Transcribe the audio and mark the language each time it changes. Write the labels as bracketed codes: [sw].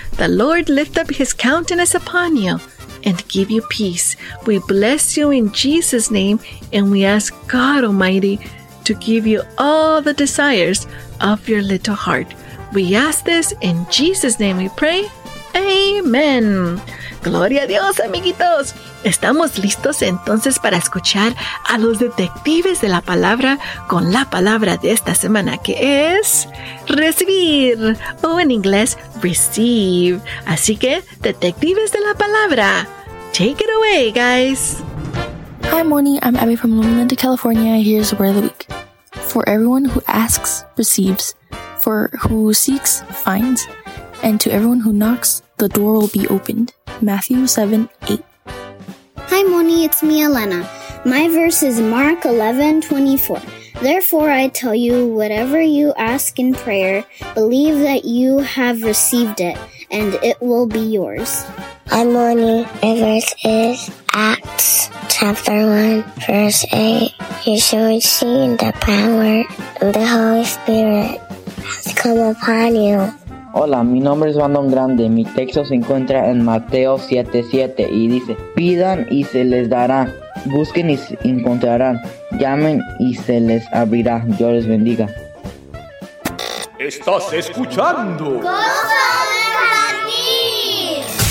[en] The Lord lift up his countenance upon you and give you peace. We bless you in Jesus' name, and we ask God Almighty to give you all the desires of your little heart. We ask this in Jesus' name we pray. [es] Amen. Gloria a Dios, amiguitos. Estamos listos entonces para escuchar a los detectives de la palabra con la palabra de esta semana, que es recibir, o en inglés receive. Así que, detectives de la palabra, [en] take it away, guys. Hi, Moni. I'm Abby from Loma Linda, California. Here's the word of the week. For everyone who asks, receives. For who seeks, finds. And to everyone who knocks, the door will be opened. Matthew 7:8. Hi, Moni, it's me, Elena. My verse is Mark 11:24. Therefore, I tell you, whatever you ask in prayer, believe that you have received it, and it will be yours. Hi, Moni. My verse is Acts 1:8. You shall receive the power of the Holy Spirit has come upon you. [es] Hola, mi nombre es Brandon Grande. Mi texto se encuentra en Mateo 7:7 y dice: pidan y se les dará, busquen y se encontrarán, llamen y se les abrirá. Dios les bendiga. ¿Estás escuchando? ¡Gozo Infantil!